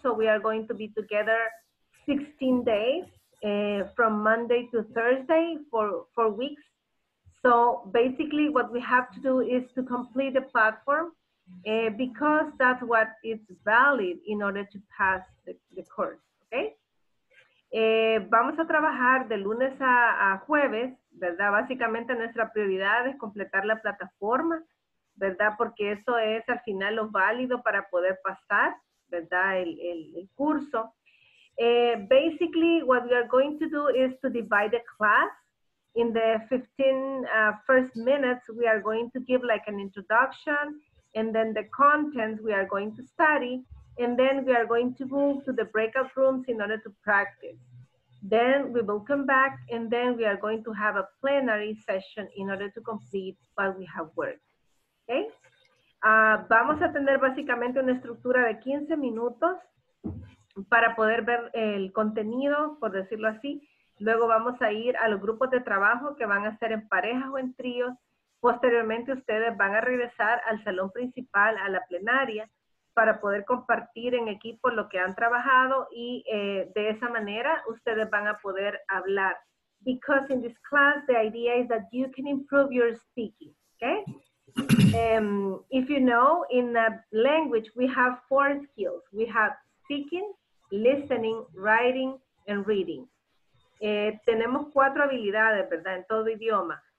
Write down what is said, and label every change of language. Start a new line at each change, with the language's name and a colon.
English: So we are going to be together 16 days. From Monday to Thursday for 4 weeks. So basically what we have to do is to complete the platform because that's what is valid in order to pass the course, okay?
Spanish: Vamos a trabajar de lunes a jueves, ¿verdad? Básicamente nuestra prioridad es completar la plataforma, ¿verdad? Porque eso es al final lo válido para poder pasar, ¿verdad? El curso.
English: Basically, what we are going to do is to divide the class. In the 15 first minutes, we are going to give like an introduction, and then the contents we are going to study, and then we are going to move to the breakout rooms in order to practice. Then we will come back, and then we are going to have a plenary session in order to complete what we have worked. Okay?
Spanish: Vamos a tener básicamente una estructura de 15 minutos para poder ver el contenido, por decirlo así. Luego vamos a ir a los grupos de trabajo que van a ser en parejas o en tríos. Posteriormente ustedes van a regresar al salón principal, a la plenaria, para poder compartir en equipo lo que han trabajado y de esa manera ustedes van a poder hablar.
English: Because in this class, the idea is that you can improve your speaking, okay? If you know, in a language, we have 4 skills. We have speaking, listening, writing, and reading.
Spanish: Tenemos 4 habilidades, ¿verdad? En todo idioma.